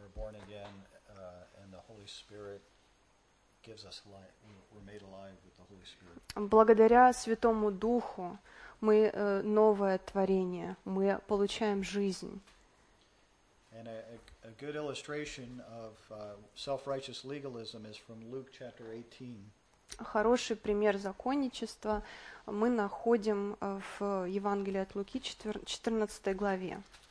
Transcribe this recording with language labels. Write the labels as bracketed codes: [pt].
[en] born again and the Holy Spirit gives us life. We're made alive with the Holy Spirit. [ru] Благодаря Святому Духу мы новое творение, мы получаем жизнь. [en] And a good illustration of self-righteous legalism is from Luke chapter 18. [ru] Хороший пример законничества мы находим в Евангелии от Луки, 14 главе.